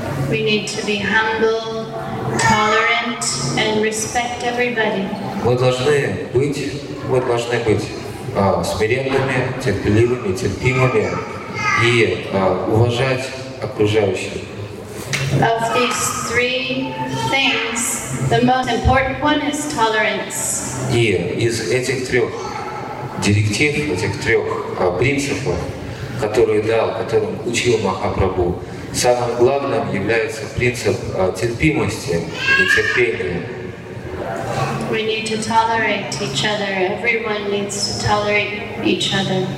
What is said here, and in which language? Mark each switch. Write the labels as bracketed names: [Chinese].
[English] We need to be humble, tolerant, and respect everybody. [Russian] Мы должны быть смиренными, терпеливыми, терпимыми и уважать окружающих. [English] Of these three things, the most important one is tolerance. [Russian] И из этих трех директив, этих трех принципов, которым учил Махапрабху, самым главным является принцип терпимости или терпения. [English] We need to tolerate each other. Everyone needs to tolerate each other.